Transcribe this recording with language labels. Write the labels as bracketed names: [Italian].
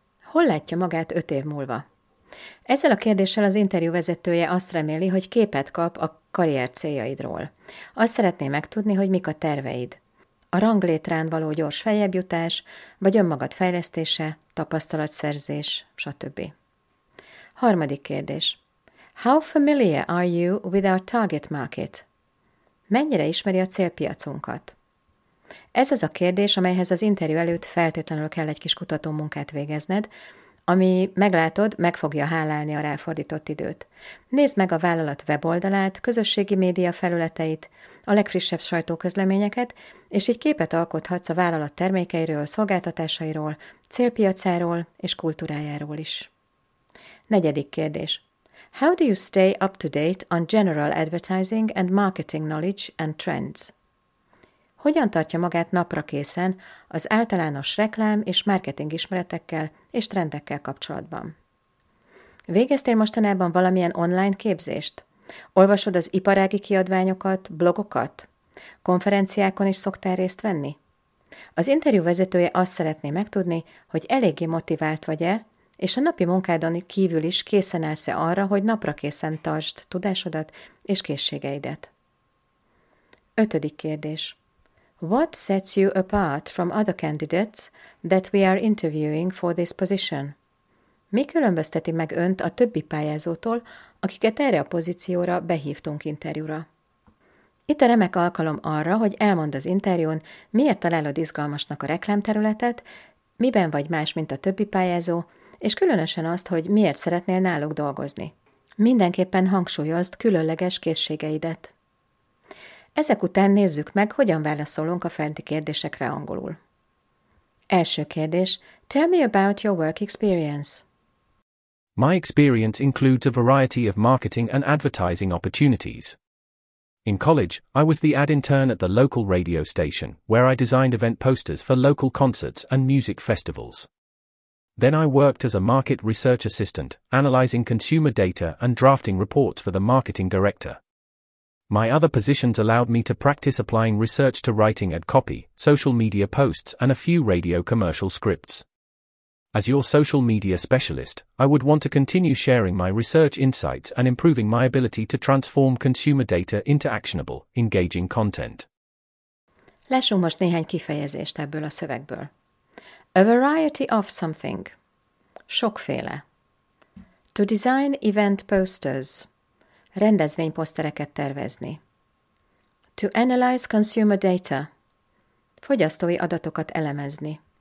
[Hungarian] Hol látja magát 5 év múlva? Ezzel a kérdéssel az interjú vezetője azt reméli, hogy képet kap a karrier céljaidról. Azt szeretné megtudni, hogy mik a terveid. A ranglétrán való gyors feljebbjutás, vagy önmagad fejlesztése, tapasztalatszerzés, stb. Harmadik kérdés. [English] How familiar are you with our target market? [Hungarian] Mennyire ismeri a célpiacunkat? Ez az a kérdés, amelyhez az interjú előtt feltétlenül kell egy kis kutató munkát végezned, ami meglátod, meg fogja hálálni a ráfordított időt. Nézd meg a vállalat weboldalát, közösségi média felületeit, a legfrissebb sajtóközleményeket, és így képet alkothatsz a vállalat termékeiről, szolgáltatásairól, célpiacáról és kultúrájáról is. Negyedik kérdés. How do you stay up to date on general advertising and marketing knowledge and trends? Hogyan tartja magát napra készen az általános reklám és marketing ismeretekkel és trendekkel kapcsolatban? Végeztél mostanában valamilyen online képzést? Olvasod az iparági kiadványokat, blogokat? Konferenciákon is szoktál részt venni? Az interjú vezetője azt szeretné megtudni, hogy eléggé motivált vagy-e, és a napi munkádon kívül is készen állsz-e arra, hogy napra készen tartsd tudásodat és készségeidet. Ötödik kérdés. What sets you apart from other candidates that we are interviewing for this position? Mi különbözteti meg önt a többi pályázótól, akiket erre a pozícióra behívtunk interjúra? Itt a remek alkalom arra, hogy elmondd az interjún, miért találod izgalmasnak a reklámterületet, miben vagy más, mint a többi pályázó, és különösen azt, hogy miért szeretnél náluk dolgozni. Mindenképpen hangsúlyozd különleges készségeidet. Ezek után nézzük meg, hogyan válaszolunk a fenti kérdésekre angolul. Első kérdés. [English] Tell me about your work experience. My experience includes a variety of marketing and advertising opportunities. In college, I was the ad intern at the local radio station, where I designed event posters for local concerts and music festivals. Then I worked as a market research assistant, analyzing consumer data and drafting reports for the marketing director. My other positions allowed me to practice applying research to writing ad copy, social media posts, and a few radio commercial scripts. As your social media specialist, I would want to continue sharing my research insights and improving my ability to transform consumer data into actionable, engaging content. [Hungarian] Lássunk most néhány kifejezést ebből a szövegből. [English] A variety of something. [Hungarian] Sokféle. [English] To design event posters. [Hungarian] Rendezvényposztereket tervezni. [English] To analyze consumer data. [Hungarian] Fogyasztói adatokat elemezni.